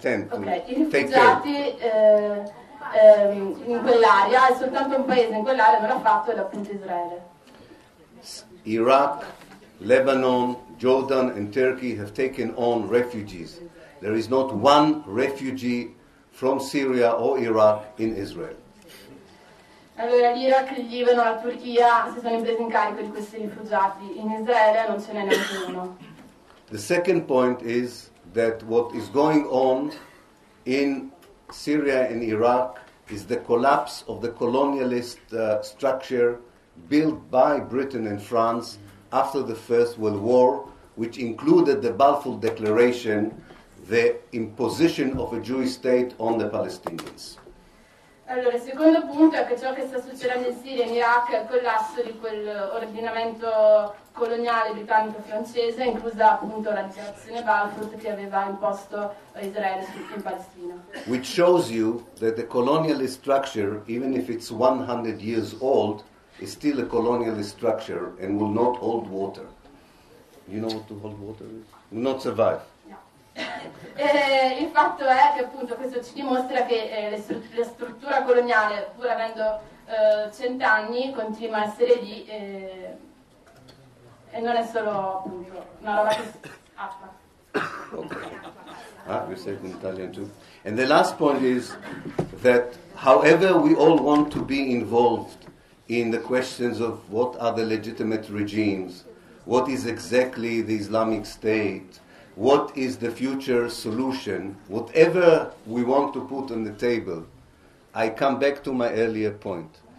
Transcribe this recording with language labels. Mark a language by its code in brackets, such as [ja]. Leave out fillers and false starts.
[it] in quell'area, e soltanto un paese in quell'area non l'ha fatto, è appunto Israele. [en] Iraq, Lebanon, Jordan and Turkey have taken on refugees. There is not one refugee from Syria or Iraq in Israel. [it] Allora, l'Iraq, il Libano, la Turchia si sono presi in carico di questi rifugiati. In Israele non ce n'è nessuno. [en] The second point is that what is going on in Syria and Iraq is the collapse of the colonialist structure built by Britain and France after the First World War, which included the Balfour Declaration, the imposition of a Jewish state on the Palestinians. [it] Allora, il secondo punto è che ciò che sta succedendo in Siria e in Iraq è il collasso di quel ordinamento coloniale britannico-francese, inclusa appunto la dichiarazione Balfour che aveva imposto Israele in Palestina. [en] Which shows you that the colonialist structure, even if it's 100 years old, is still a colonialist structure and will not hold water. You know what to hold water is? Will not survive. [it] Il fatto è che appunto questo ci dimostra che la struttura coloniale, pur avendo cent'anni, continua a essere lì e non è solo appunto una roba che [en] acqua. Okay. Ah, you said in Italian too. And the last point is that however we all want to be involved in the questions of what are the legitimate regimes, what is exactly the Islamic State, what is the future solution, whatever we want to put on the table, I come back to my earlier point.